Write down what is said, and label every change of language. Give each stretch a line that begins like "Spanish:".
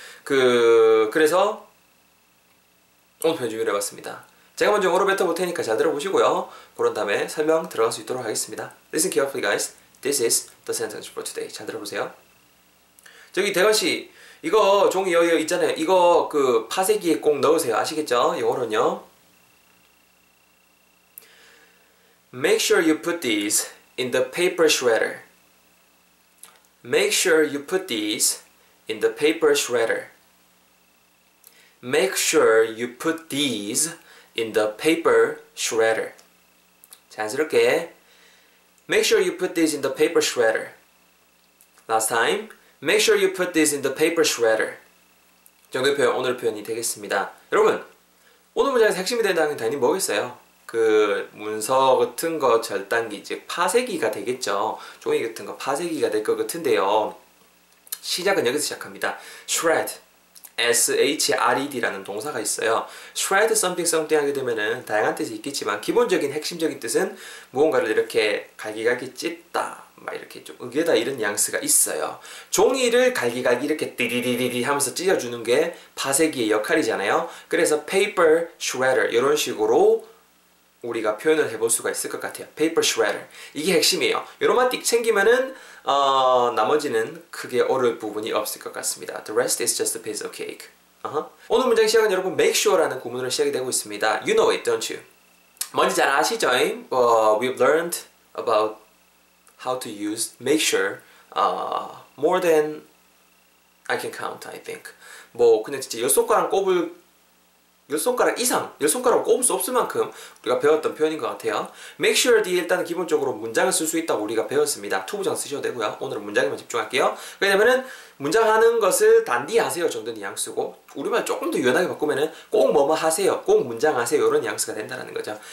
Korean: 그래서 오늘 표현 준비를 해봤습니다. 제가 먼저 영어로 뱉어볼 테니까 잘 들어보시고요. 그런 다음에 설명 들어갈 수 있도록 하겠습니다.
English: Listen carefully guys. This is the sentence for today.
Korean: 잘 들어보세요. 저기 대건씨, 이거 종이 여기 있잖아요. 이거 그 파쇄기에 꼭 넣으세요. 아시겠죠? 영어로는요,
English: Make sure you put these in the paper shredder. Make sure you put these in the paper shredder. Make sure you put these in the paper shredder. 자연스럽게 Make sure you put these in the paper shredder. Last time, Make sure you put this in the paper shredder.
Korean: 정도의 표현, 오늘 표현이 되겠습니다. 여러분, 오늘 문장에서 핵심이 된다는 건 당연히 뭐겠어요? 그 문서 같은 거 절단기, 즉 파쇄기가 되겠죠. 종이 같은 거 파쇄기가 될 것 같은데요. 시작은 여기서 시작합니다. Shred, S-H-R-E-D라는 동사가 있어요. Shred something something 하게 되면은 다양한 뜻이 있겠지만 기본적인 핵심적인 뜻은 무언가를 이렇게 갈기갈기 찢다, 막 이렇게 좀 으개다 이런 뉘앙스가 있어요. 종이를 갈기갈기 이렇게 띠리리리리 하면서 찢어주는 게 파쇄기의 역할이잖아요. 그래서 paper shredder 이런 식으로 우리가 표현을 해볼 수가 있을 것 같아요. paper shredder, 이게 핵심이에요. 요런만 띡 챙기면은 나머지는 크게 어려울 부분이 없을 것 같습니다.
English: The rest is just a piece of cake.
Korean: 오늘 문장 시작은 여러분 make sure라는 구문으로 시작이 되고 있습니다.
English: You know it, don't you?
Korean: 뭔지 잘 아시죠?
English: We've learned about how to use make sure more than I can count, I think.
Korean: 뭐 그냥 진짜 열 손가락 꼽을 수 없을 만큼 우리가 배웠던 표현인 것 같아요. Make sure 뒤에 일단 기본적으로 문장을 쓸 수 있다고 우리가 배웠습니다. 투부정 쓰셔도 되고요. 오늘은 문장에만 집중할게요. 왜냐면은 문장하는 것을 단디 하세요 정도는 뉘앙스고, 우리말 조금 더 유연하게 바꾸면은 꼭 뭐뭐 하세요, 꼭 문장하세요, 이런 뉘앙스가 된다는 거죠.